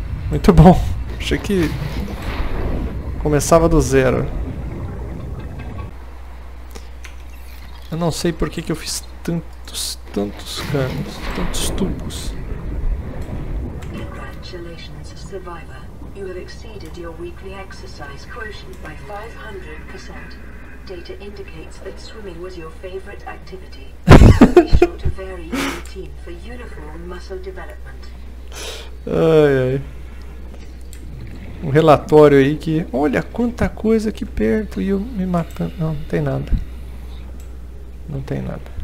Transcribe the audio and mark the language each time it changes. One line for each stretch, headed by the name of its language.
Portuguese: Muito bom. Achei que começava do zero. Eu não sei por que que eu fiz tantos canos, tantos tubos.
English: Congratulations, survivor. You have exceeded your weekly exercise quotient by 500%. Data indicates that swimming was your favorite activity. So be sure to vary your routine for uniform muscle development.
Portuguese: Ai, ai. Um relatório aí que. Olha quanta coisa aqui perto e eu me matando. Não, não tem nada. Não tem nada.